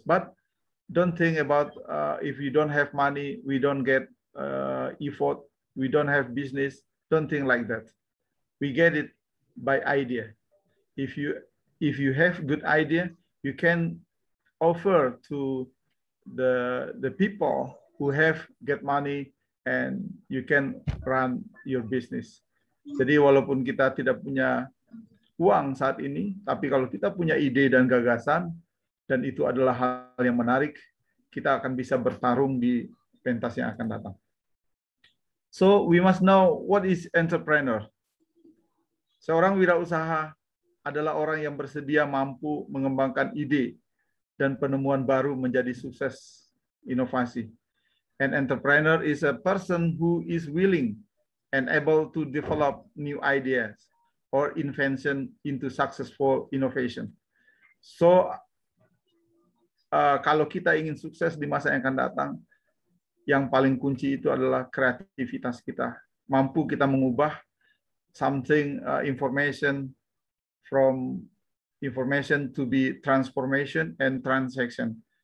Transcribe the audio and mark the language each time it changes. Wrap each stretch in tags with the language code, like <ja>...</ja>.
<en>But don't think about if you don't have money, we don't get effort, we don't have business. Don't think like that. We get it by idea. If you have good idea, you can offer to the people who have get money, and you can run your business.</en> <id>Jadi walaupun kita tidak punya uang saat ini, tapi kalau kita punya ide dan gagasan, dan itu adalah hal yang menarik, kita akan bisa bertarung di pentas yang akan datang.</id> <en>So we must know what is entrepreneur.</en> <id>Seorang wirausaha adalah orang yang bersedia mampu mengembangkan ide dan penemuan baru menjadi sukses inovasi.</id> <en>An entrepreneur is a person who is willing and able to develop new ideas or invention into successful innovation.</en> <id>So, kalau kita ingin sukses di masa yang akan datang, yang paling kunci itu adalah kreativitas kita. Mampu kita mengubah</id> <en>something information from information to be transformation and transaction.</en>